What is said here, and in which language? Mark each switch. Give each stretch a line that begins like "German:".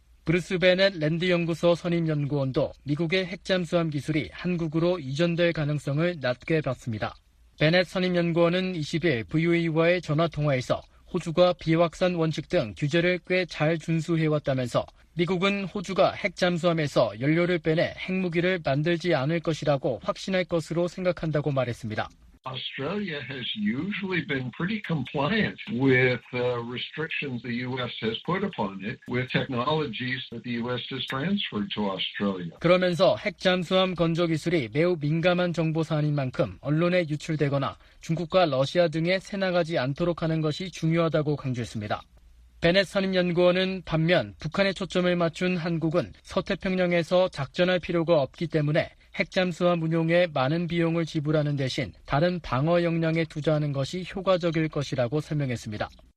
Korean: 브루스 베넷 랜드연구소 선임연구원도 미국의 핵잠수함 기술이 한국으로 이전될 가능성을 낮게 봤습니다. 베넷 선임연구원은 20일 VOA와의 전화통화에서 호주가 비확산 원칙 등 규제를 꽤 잘 준수해왔다면서 미국은 호주가 핵잠수함에서 연료를 빼내 핵무기를 만들지 않을 것이라고 확신할 것으로 생각한다고 말했습니다.
English: Australia has usually been pretty compliant with the restrictions the U.S. has put upon it with technologies that the U.S. has transferred to Australia.
Korean: 그러면서 핵잠수함 건조 기술이 매우 민감한 정보 사안인 만큼 언론에 유출되거나 중국과 러시아 등에 새나가지 않도록 하는 것이 중요하다고 강조했습니다. 베넷 선임연구원은 반면 북한에 초점을 맞춘 한국은 서태평양에서 작전할 필요가 없기 때문에 핵잠수함 운용에 많은 비용을 지불하는 대신 다른 방어 역량에 투자하는 것이 효과적일 것이라고 설명했습니다.